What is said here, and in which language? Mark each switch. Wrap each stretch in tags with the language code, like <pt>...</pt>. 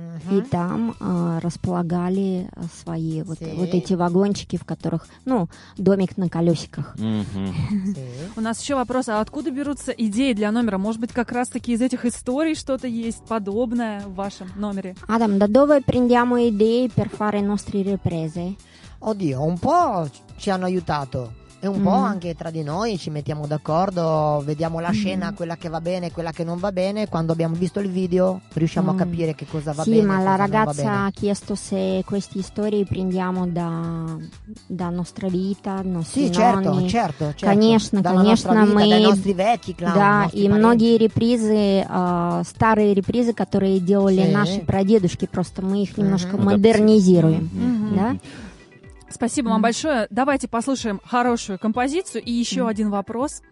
<ru>И там располагали свои вот эти вагончики, в которых, ну, домик на колесиках. У нас еще вопрос, а откуда берутся идеи для номера? Может быть, как раз-таки из этих историй что-то есть подобное в вашем номере?</ru> <it>Адам, da dove prendiamo idee per fare nostre riprese? Oddio, un po' ci hanno aiutato e un po' anche tra di noi ci mettiamo d'accordo, vediamo la scena, quella che va bene, quella che non va bene. Quando abbiamo visto il video riusciamo a capire che cosa va bene. Sì, ma la ragazza ha chiesto se questi storie prendiamo da nostra vita, nostri sì, nonni. Certo.</it> <ru>Конечно,</ru> <it>dalla</it> <ru>конечно,</ru> <it>nostra vita,</it> <ru>мы...</ru> <it>dai nostri vecchi clan.</it> <ru>Да, и многие репризы, старые репризы, которые делали наши прадедушки, просто мы их немножко модернизируем, да? Спасибо вам большое. Давайте послушаем хорошую композицию. И еще один вопрос.</ru>